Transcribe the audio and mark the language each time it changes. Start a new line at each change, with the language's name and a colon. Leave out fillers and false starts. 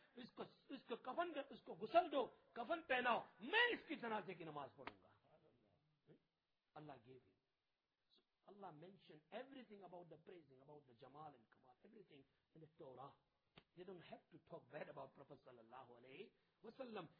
Urdu: اس کو کفن, اس کو غسل دو, کفن پہناؤ, میں اس کی جنازے کی نماز پڑھوں گا.
English: Allah gave he, Allah mention every thing about the praising, about the jamal and kamal, every thing in the Torah. They don't have to talk bad about prophet صلی اللہ علیہ وسلم.